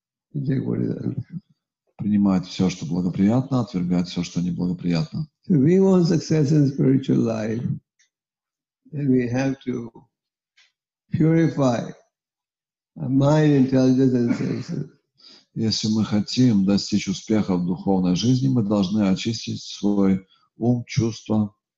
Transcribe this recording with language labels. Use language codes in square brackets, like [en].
[ru] Принимать все, что благоприятно, отвергать все, что неблагоприятно. [en] So we want success in spiritual life, then we have to purify our mind, intelligence and senses. [ru] Если мы хотим достичь успеха в духовной жизни, мы должны очистить свой ум, чувства.